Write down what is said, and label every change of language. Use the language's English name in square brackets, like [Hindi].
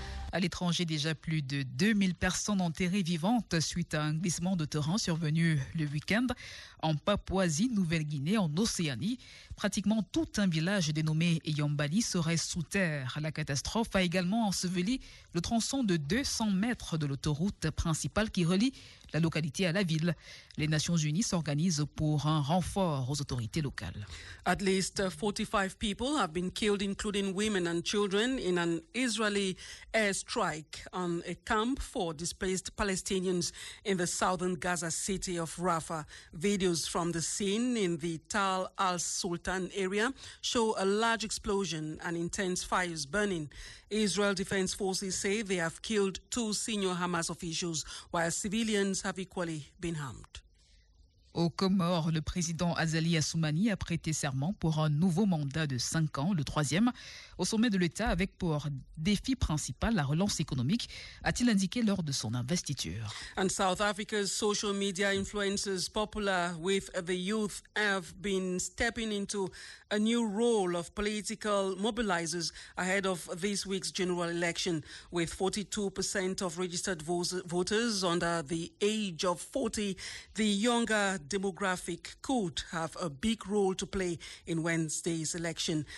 [French] À l'étranger, déjà plus de 2000 personnes enterrées vivantes suite à un glissement de terrain survenu le week-end en Papouasie-Nouvelle-Guinée, en Océanie. Pratiquement tout un village dénommé Eyombali serait sous terre. La catastrophe a également enseveli le tronçon de 200 mètres de l'autoroute principale qui relie la localité à la ville. Les Nations Unies s'organisent pour un renfort aux autorités locales. [English] At least 45 people have been killed, including women and children, in an Israeli airstrike on a camp for displaced Palestinians in the southern Gaza city of Rafah. Videos from the scene in the Tal al-Sultan area show a large explosion and intense fires burning. Israel Defense Forces say they have killed two senior Hamas officials, while civilians have equally been harmed. [French] Aux Comores, le président Azali Assoumani a prêté serment pour un nouveau mandat de 5 ans, le troisième, au sommet de l'État, avec pour défi principal la relance économique, a-t-il indiqué lors de son investiture. [English] And South Africa's social media influencers, popular with the youth, have been stepping into a new role of political mobilizers ahead of this week's general election. With 42% of registered voters under the age of 40, the younger demographic could have a big role to play in Wednesday's election.